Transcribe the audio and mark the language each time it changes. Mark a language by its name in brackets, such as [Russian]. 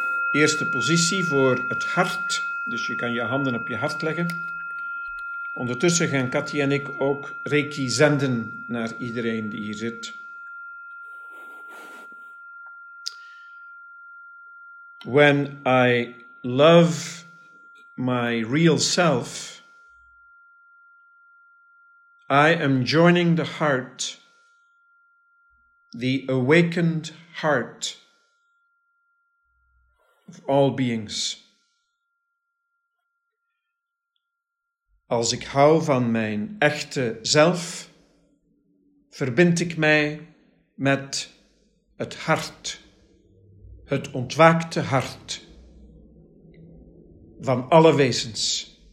[Dutch] Eerste positie voor het hart. Dus je kan je handen op je hart leggen. Ondertussen gaan Cathy en ik ook Reiki zenden naar iedereen die hier zit. [English] When I love my real self, I am joining the heart, the awakened heart of all beings. [Dutch] Als ik hou van mijn echte zelf, verbind ik mij met het hart, het ontwaakte hart van alle wezens.